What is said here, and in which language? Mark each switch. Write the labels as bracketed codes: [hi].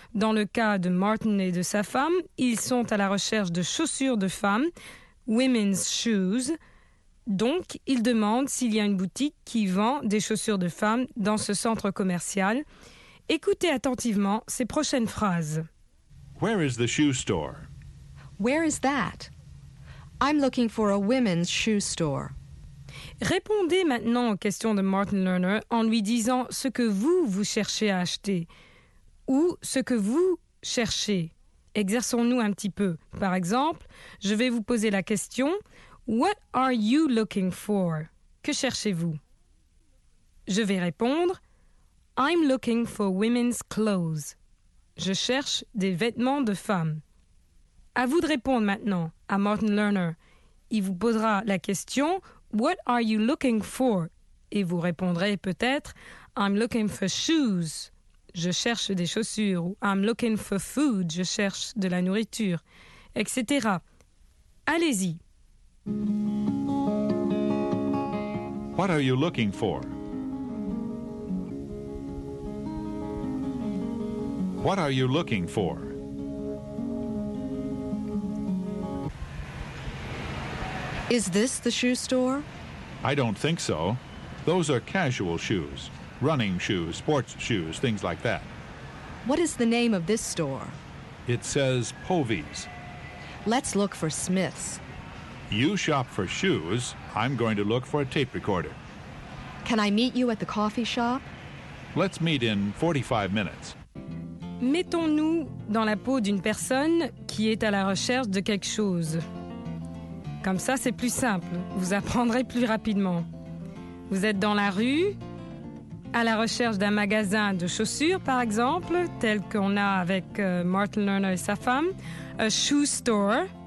[fr] Dans le cas de Martin et de sa femme, ils sont à la recherche de chaussures de femmes, [en] women's shoes. [fr] Donc, ils demandent s'il y a une boutique qui vend des chaussures de femmes dans ce centre commercial. Écoutez attentivement ces prochaines phrases. [en] Where is the shoe store? Where is that? I'm looking for a women's shoe store. [fr] Répondez maintenant aux questions de Martin Lerner en lui disant ce que vous vous cherchez à acheter ou ce que vous cherchez. Exerçons-nous un petit peu. Par exemple, je vais vous poser la question « [en] What are you looking for ?» [fr] Que cherchez-vous ? Je vais répondre « [en] I'm looking for women's clothes. [fr] » Je cherche des vêtements de femmes. À vous de répondre maintenant à Martin Lerner. Il vous posera la question « [en] What are you looking for ?» [fr] Et vous répondrez peut-être « [en] I'm looking for shoes. [fr] » Je cherche des chaussures. Ou « [en] I'm looking for food. [fr] » Je cherche de la nourriture, etc. Allez-y. [en] What are you looking for? What are you looking for? Is this the shoe store? I don't think so. Those are casual shoes. Running shoes, sports shoes, things like that. What is the name of this store? It says Povey's. Let's look for Smith's. You shop for shoes. I'm going to look for a tape recorder. Can I meet you at the coffee shop? Let's meet in 45 minutes. [fr] Mettons-nous dans la peau d'une personne qui est à la recherche de quelque chose. Comme ça, c'est plus simple. Vous apprendrez plus rapidement. Vous êtes dans la rue, à la recherche d'un magasin de chaussures, par exemple, tel qu'on a avec Martin Lerner et sa femme, [en] a shoe store.